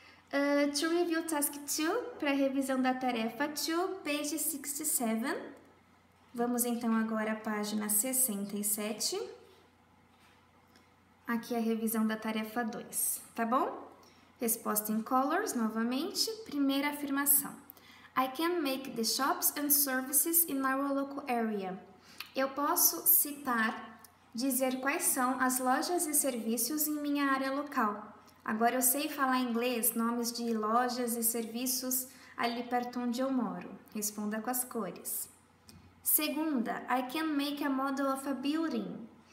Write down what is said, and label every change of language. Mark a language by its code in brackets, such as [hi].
[en] To review task 2, [pt] para revisão da tarefa 2, [en] page 67. [pt] Vamos então agora à página 67. Aqui é a revisão da tarefa 2, tá bom? Resposta em colors, novamente, primeira afirmação. [en] I can make the shops and services in our local area. [pt] Eu posso citar, dizer quais são as lojas e serviços em minha área local. Agora eu sei falar inglês, nomes de lojas e serviços ali perto onde eu moro. Responda com as cores. Segunda, [en] I can make a model of a building.